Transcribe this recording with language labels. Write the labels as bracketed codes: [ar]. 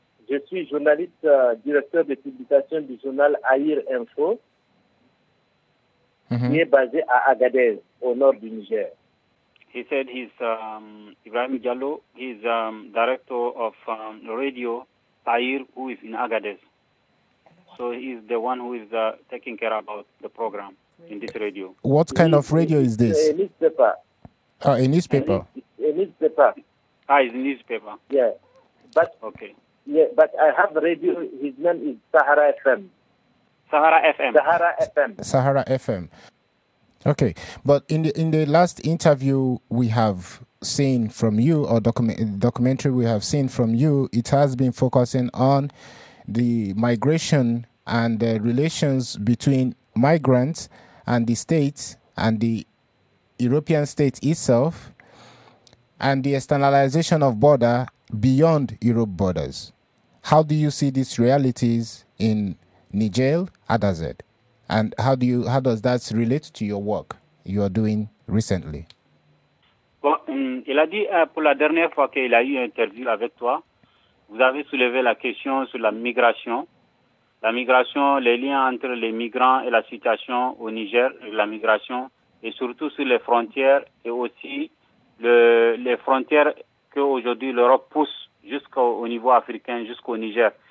[fr] Je suis journaliste directeur de publication du journal Aïr Info. Mm-hmm. Qui est basé à Agadez, au nord du Niger. [en] He said he's Ibrahim Diallo. He's director of radio Aïr, who is in Agadez. So he's the one who is taking care about the program in this radio. What kind of radio is this? A newspaper. A newspaper. A newspaper. It's a newspaper. Yeah. But okay. Yeah, but I have radio. His name is Sahara FM. Sahara FM. Okay, but in the last interview we have seen from you, or documentary we have seen from you, it has been focusing on the migration and the relations between migrants and the state and the European state itself, and the externalization of border beyond Europe borders. How do you see these realities in Niger, Adazed, and how does that relate to your work you are doing recently? [fr] Bon, il a dit pour la dernière fois qu'il a eu une interview avec toi, vous avez soulevé la question sur la migration, les liens entre les migrants et la situation au Niger, la migration, et surtout sur les frontières, et aussi les frontières qu'aujourd'hui l'Europe pousse jusqu'au niveau africain, jusqu'au Niger.